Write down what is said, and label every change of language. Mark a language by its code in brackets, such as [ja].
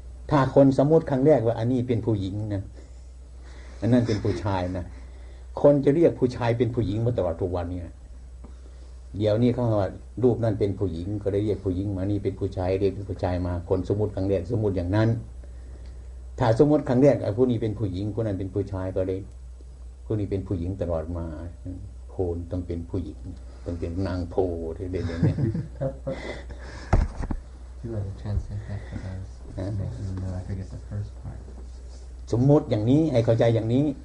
[th] ถ้าคนสมมุติครั้งแรกว่าอันนี้เป็นผู้หญิงนะอันนั้นเป็นผู้ชายนะคนจะเรียกผู้ชายเป็นผู้หญิงมาตลอดทุกวันเนี่ยเดี๋ยวนี้เขาว่ารูปนั่นเป็นผู้หญิงก็ได้เรียกผู้หญิงมานี่เป็นผู้ชายเรียกเป็นผู้ชายมาคนสมมติครั้งแรกสมมติอย่างนั้นถ้าสมมติครั้งแรกไอ้ผู้นี้เป็นผู้หญิงคนนั้นเป็นผู้ชายก็เลยผู้นี้เป็นผู้หญิงตลอดมาโพลต้องเป็นผู้หญิงต้องเป็นนางโพลที่เรียกอย่างนี้ [en] Do you have a chance to think about this? I forget the first part. [th] สมมติอย่างนี้ให้เข้าใจอย่างนี